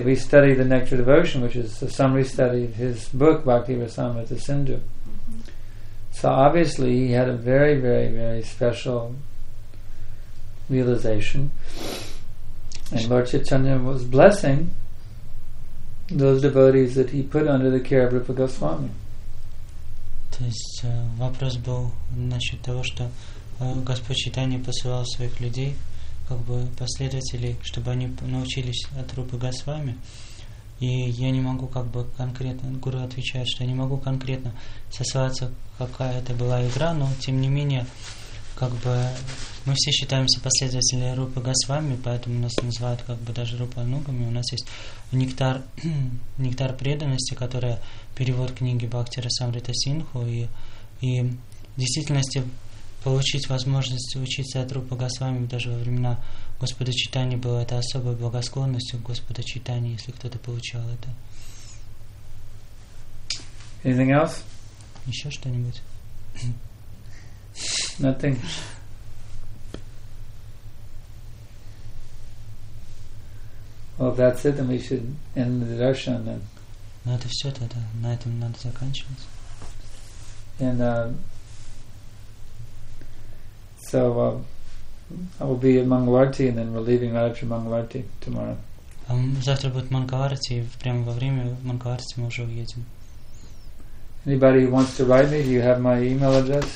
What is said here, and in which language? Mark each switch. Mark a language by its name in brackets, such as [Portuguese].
[English] We study the Nectar Devotion, which is a summary study of his book, Bhakti Rasamrita Sindhu. Mm-hmm. So obviously he had a very, very, very special realization. And Lord Chaitanya was blessing those devotees that he put under the care of Rupa Goswami. [Russian] То есть вопрос был насчет того, что Господь Чайтанья посылал своих людей, как бы последователей, чтобы они научились от Рупы Госвами. И я не могу как бы конкретно, гуру отвечает, что я не могу конкретно сослаться, какая это была игра, но тем не менее, как бы мы все считаемся последователями Рупы Госвами, поэтому нас называют как бы даже Рупанугами. У нас есть нектар, нектар преданности, которая перевод книги Бхакти Расамрита Синху, и в действительности получить возможность учиться от Рупы Госвами даже во времена Господа Чайтаньи было это особой благосклонностью Господа Чайтаньи, если кто-то получал это. [English] Anything else? [Russian] Еще что-нибудь? [English] Nothing. Well, if that's it, then we should end the darshan then. [Russian] Ну это все тогда, на этом надо заканчивать. [English] And so I will be at Mangalarti, and then we're leaving right after Mangalarti tomorrow. [Russian] Завтра будет Мангаларти, прямо во время Мангаларти мы уже уедем. [English] Anybody who wants to write me, do you have my email address?